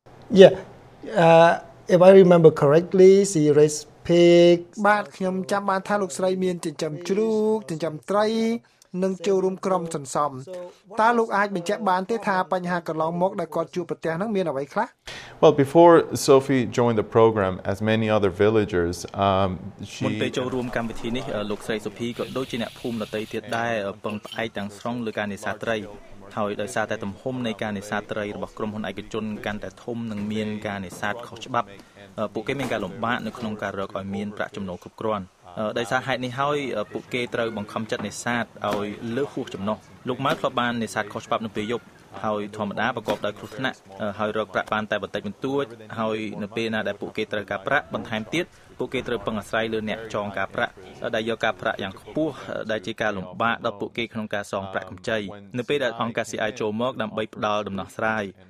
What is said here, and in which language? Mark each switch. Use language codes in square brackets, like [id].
[en] Yeah if I remember correctly see race pig [km] បាទខ្ញុំចាំបានថាលោកស្រីមានចិញ្ចឹមជ្រូកចិញ្ចឹមត្រីនឹងចូលរួមក្រុមសន្សំតើលោកអាចបញ្ជាក់បានទេថាបញ្ហាកន្លងមកដែលគាត់ជួបប្រទះនឹងមានអ្វីខ្លះ [en] Well before Sophie joined the program as many other villagers she [km] មុនពេលចូលរួមកម្មវិធីនេះលោកស្រីសុភីក៏ដូចជាអ្នកភូមិដទៃទៀតដែរពឹងផ្អែកទាំងស្រុងលើការនេសាទត្រីហើយដោយសារតែទំហំនៃការនេសាទត្រីរបស់ក្រុមហ៊ុនឯកជនកាន់តែធំនិងមានការនេសាទខុសច្បាប់ ពួកគេមានការលំបាកនៅក្នុងការរកឲ្យមានប្រាក់ចំណូលគ្រប់គ្រាន់ដោយសារហេតុនេះហើយពួកគេត្រូវបង្ខំចិត្តនេសាទឲ្យលើសហួសចំណុះលោកម៉ៅធ្លាប់បាននេសាទខុសច្បាប់នៅពេលយប់ហើយធម្មតាប្រកបដោយគ្រោះថ្នាក់ហើយរកប្រាក់បានតែបន្តិចបន្តួចហើយនៅពេលណាដែលពួកគេត្រូវការប្រាក់បន្ថែមទៀតពួកគេត្រូវពឹងអាស្រ័យលើអ្នកចងការប្រាក់ដែលយកការប្រាក់យ៉ាងខ្ពស់ដែលជាការលំបាកដល់ពួកគេក្នុងការសងប្រាក់កម្ចីនៅពេលដែលអង្គការ CI ចូលមកដើម្បីផ្ដល់ដំណោះស្រាយ